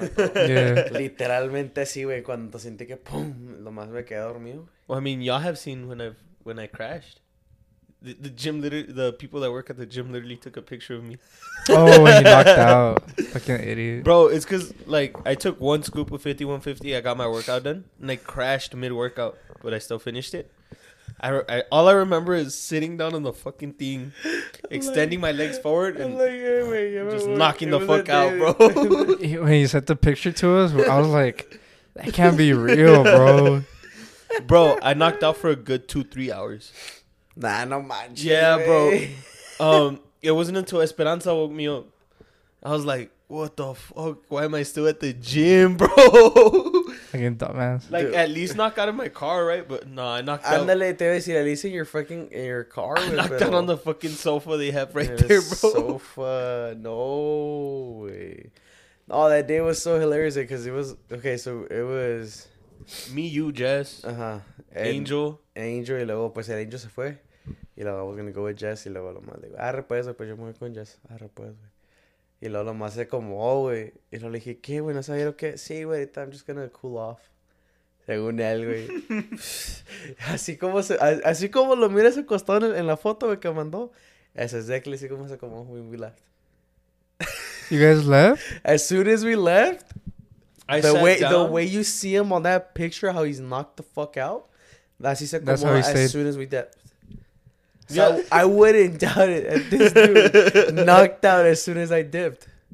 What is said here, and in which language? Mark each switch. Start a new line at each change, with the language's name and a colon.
Spanish: Literalmente así, güey, cuando sentí que, pum, lo más me quedé dormido.
English: Well, I mean, y'all have seen when I crashed. The gym, literally, the people that work at the gym literally took a picture of me. Oh, when you knocked out. Fucking idiot. Bro, it's because, like, I took 1 scoop of 5150, I got my workout done, and I crashed mid-workout, but I still finished it. I all I remember is sitting down on the fucking thing, extending my legs forward and just knocking the fuck out, bro. When you sent the picture to us, I was like, that can't be real, bro. Bro, I knocked out for a good 2-3 hours. Nah, no mind. Yeah, bro. It wasn't until Esperanza woke me up. I was like, what the fuck? Why am I still at the gym, bro? Fucking dumbass. Like, dude. At least knock out of my car, right? But no, I knocked out.
Spanish: Andale, te voy a decir,
English: at least in your fucking, in your car. I knocked out on the fucking sofa they have right there, bro. Sofa. No way. Oh, that day was so hilarious because it was, okay, so it was. Me, you, Jess. Uh-huh. Angel.
Spanish: Angel, y luego, pues el Angel se fue. Y luego,
English: I was going to go with Jess.
Spanish: Y luego, lo más digo, arre pues, pues yo me voy con Jess. Arre pues, güey. Y luego lo más se acomodó, güey. Y luego le dije, ¿qué, güey? ¿No sabía lo que? Sí, güey, ahorita
English: I'm just gonna cool off.
Spanish: Según él, güey. así como lo miras acostado en la foto, güey, que mandó. Es exactly así como se acomodó, güey.
English: We left. You guys left? As soon as we left, the way you see him on that picture, how he's knocked the fuck out,
Spanish: así se acomodó,
English: that's how he said. As soon as we did. So yeah. I wouldn't doubt it. And this dude knocked out as soon as I dipped.